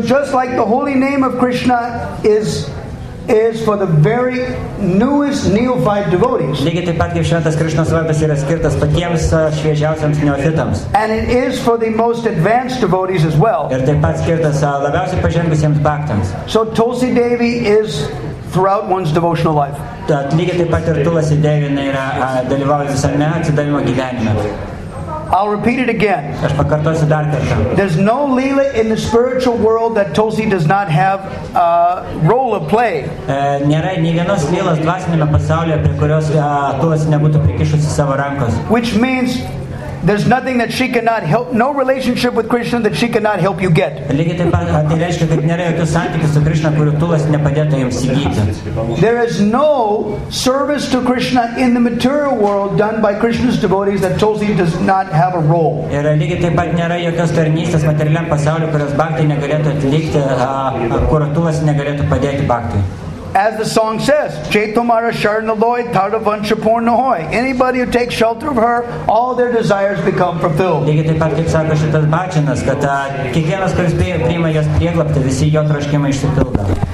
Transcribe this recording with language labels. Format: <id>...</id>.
<en>just like the holy name of Krishna is is for the very newest neophyte devotees.</en> <lt>Lygiai taip pat kaip šventas Krišnos vardas yra skirtas patiems šviežiausiams neofitams.</lt> <en>And it is for the most advanced devotees as well.</en> <lt>Ir taip pat skirtas labiausiai pažengusiems bhaktams.</lt> <en>So Tulsi Devi is throughout one's devotional life.</en> <lt>Tad lygiai taip pat ir Tulsi Devi yra dalyvaujant visame atsidavimo gyvenime.</lt> <en>I'll repeat it again.</en> <lt>Aš pakartosiu dar kartą.</lt> <en>There's no lila in the spiritual world that Tulsi does not have a role of play.</en> <lt>Nėra nei vienos lilos dvasiniame pasaulyje, prie kurios Tulsi nebūtų prikišusi savo rankos.</lt> <en>Which means there's nothing that she cannot help, no relationship with Krishna that she cannot help you get.</en> <lt>Lygiai taip pat, tai reiškia, kad nėra jokių santykių su Krishna, kurių Tulsi nepadėtų jums įgyti.</lt> <en>There is no service to Krishna in the material world done by Krishna's devotees that Tulsi does not have a role.</en> <lt>Ir lygiai taip pat nėra jokios tarnystės materialiam pasauliu, kurios bhakti negalėtų atlikti, kur Tulsi negalėtų padėti bhakti.</lt> <en>As the song says,</en> <bn>Jetumara Sharnaloy Taravanchapurnahoy.</bn> <en>Anybody who takes shelter of her, all their desires become fulfilled.</en>